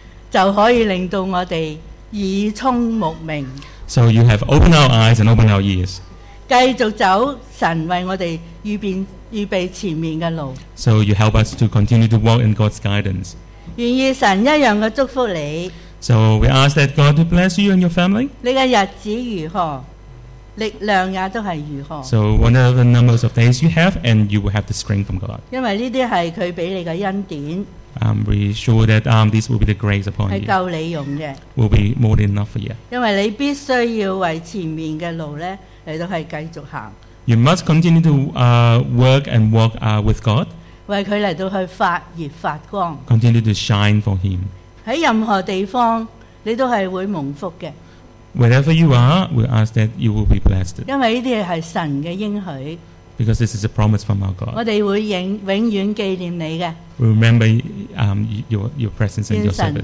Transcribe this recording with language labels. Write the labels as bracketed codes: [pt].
[zh] 就可以令到我们耳聪目明。 [en] So you have opened our eyes and opened our ears. [zh] 繼續走神為我們預備前面的路。 [en] So you help us to continue to walk in God's guidance. [zh] 願意神一樣的祝福你。 [en] So we ask that God to bless you and your family. [zh] 你的日子如何，力量也都是如何。 [en] So whatever the numbers of days you have, and you will have the strength from God. [zh] 因為這些是祂給你的恩典。 [en] We're sure that this will be the grace upon you. [zh] 是夠你用的。 [en] Will be more than enough for you. [zh] 因為你必須要為前面的路呢你都是繼續行。 [en] You must continue to work and walk with God. [zh] 為祂來到去發熱發光。 [en] Continue to shine for Him. [zh] 在任何地方你都是會蒙福的。 [en] Wherever you are, we ask that you will be blessed. [zh] 因為這些是神的應許。 [en] Because this is a promise from our God. [zh] 我們會永遠紀念你的。 [en] We remember your presence and your service. 願